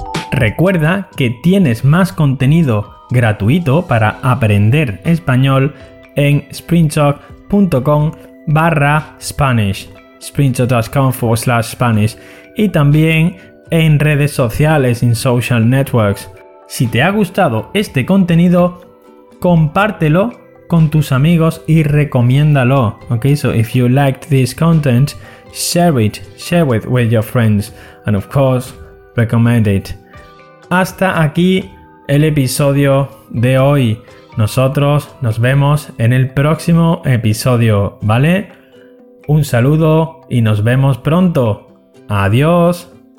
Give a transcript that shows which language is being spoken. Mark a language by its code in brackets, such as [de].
[es] Recuerda que tienes más contenido gratuito para aprender español en springtalk.com/spanish, springtalk.com/spanish, y también en redes sociales, en [en] social networks. [es] Si te ha gustado este contenido, compártelo con tus amigos y recomiéndalo. [en] Okay, so if you liked this content, share it with your friends, and of course, recommend it. [es] Hasta aquí el episodio de hoy. Nosotros nos vemos en el próximo episodio, ¿vale? Un saludo y nos vemos pronto. Adiós.